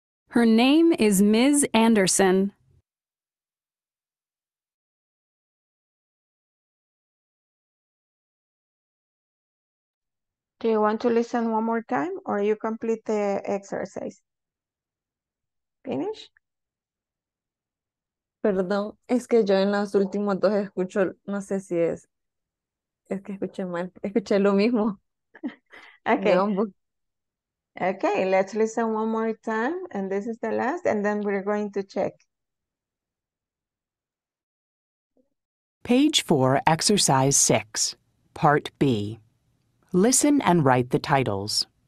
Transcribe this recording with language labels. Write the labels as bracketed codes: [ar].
[en] Her name is Ms. Anderson. Do you want to listen one more time or you complete the exercise? Finish? [es] Perdón, es que yo en los últimos dos escucho, no sé si es, es que escuché mal, escuché lo mismo. [en] Okay. Okay, let's listen one more time and this is the last and then we're going to check. Page 4, Exercise 6, Part B. Listen and write the titles.